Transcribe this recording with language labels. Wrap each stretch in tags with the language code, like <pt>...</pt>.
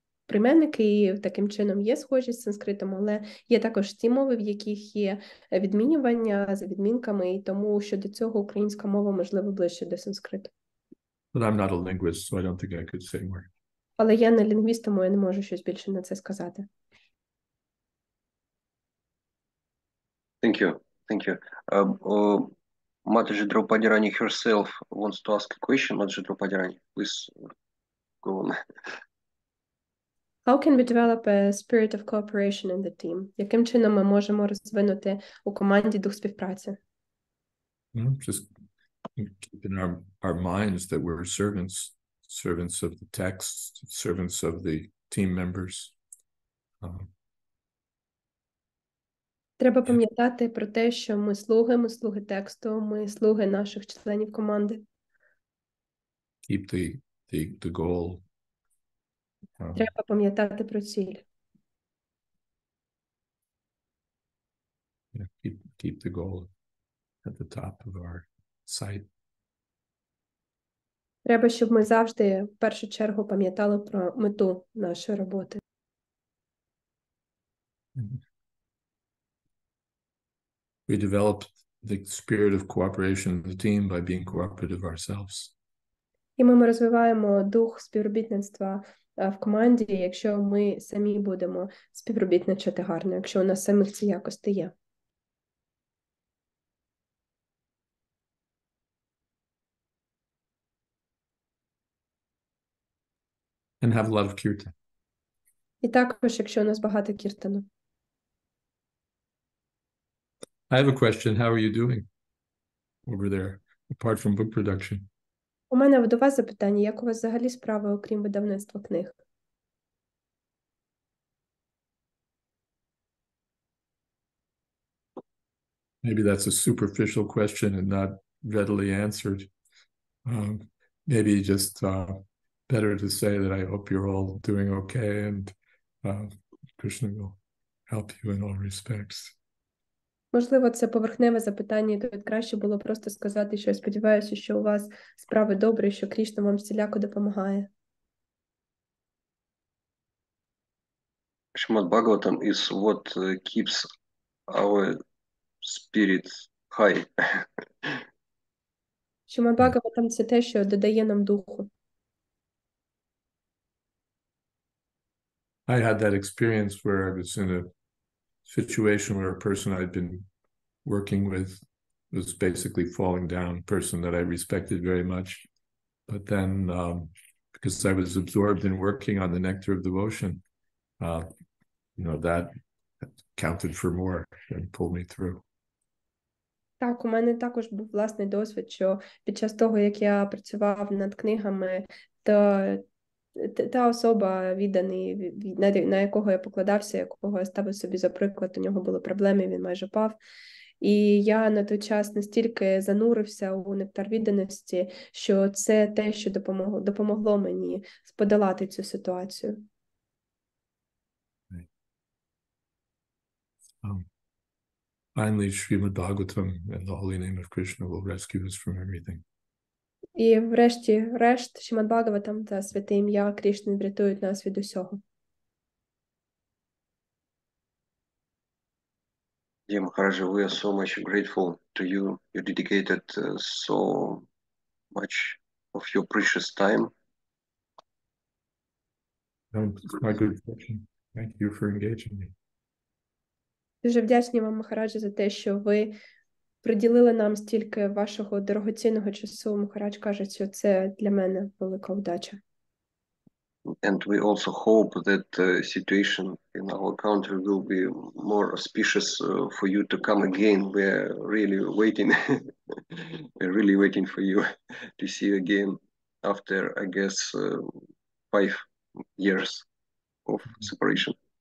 <uk>Прийменники і таким чином є схожі з санскритом, але є також ті мови, в яких є відмінювання за відмінками, і тому щодо цього українська мова можливо ближче до санскриту.</uk> <en>But I'm not a linguist, so I don't think I could say more.</en> <uk>Але я не лінгвіст, тому я не можу щось більше на це сказати.</uk> <en>Thank you. Thank you. Матаджи Драупаді Рані herself wants to ask a question. Матаджи Драупаді Рані, please go on. How can we develop a spirit of cooperation in the team?</en> <uk>Яким чином ми можемо розвинути у команді дух співпраці?</uk> <en>Just keep in our minds that we're servants of the text, servants of the team members.</en> <uk>Треба пам'ятати про те, що ми слуги тексту, ми слуги наших членів команди.</uk> <en>Keep the goal.</en> <uk>Треба пам'ятати про ціль.</uk> <en>Yeah, keep the goal at the top of our sight.</en> <uk>Треба, щоб ми завжди в першу чергу пам'ятали про мету нашої роботи.</uk> <en>We develop the spirit of cooperation in the team by being cooperative ourselves.</en> <uk>І ми розвиваємо дух співробітництва в команді, якщо ми самі будемо співробітничати гарно, якщо у нас самих ці якості є.</uk> <en>And have a lot of kirtan.</en> <uk>І також, якщо у нас багато кіртану.</uk> <en>I have a question. How are you doing over there, apart from book production?</en> <uk>У мене до вас запитання. Як у вас взагалі справи, окрім видавництва книг?</uk> <en>Maybe that's a superficial question and not readily answered. Maybe just better to say that I hope you're all doing okay and Krishna will help you in all respects.</en> <uk>Можливо, це поверхневе запитання, і тут краще було просто сказати, що я сподіваюся, що у вас справи добрі, що Кришна вам всіляко допомагає.</uk> <en>Шримад-бхагаватам is what keeps our spirit high.</en> <uk>Шримад-бхагаватам це те, що додає нам духу.</uk> <en>I had that experience where I was in a situation where a person I'd been working with was basically falling down, a person that I respected very much. But then, because I was absorbed in working on the nectar of devotion, that counted for more and pulled me through.</en> <uk>Так, у мене також був власний досвід, що під час того, як я працював над книгами, то та особа, відданий, на якого я покладався, якого я ставив собі за приклад, у нього були проблеми, він майже пав. І я на той час настільки занурився у нектар відданості, що це те, що допомогло мені подолати цю ситуацію.</uk> <en>Finally, Srimad Bhagavatam and the holy name of Krishna will rescue us from everything.</en> <uk>І врешті-решт Srimad Bhagavatam та святе ім'я Кришни врятують нас від усього.</uk> <en>Dear Maharaja, we are so much grateful to you. You dedicated so much of your precious time. It's my good fortune. Thank you for engaging me.</en> <uk>Дуже вдячні вам, Махараджа, за те, що ви приділили нам стільки вашого дорогоцінного часу. Махарадж каже, що це для мене велика удача.</uk> <en>And we also hope that the situation in our country will be more auspicious for you to come again. We're really waiting. We're really waiting for you to see you again after, I guess, 5 years of separation.</en>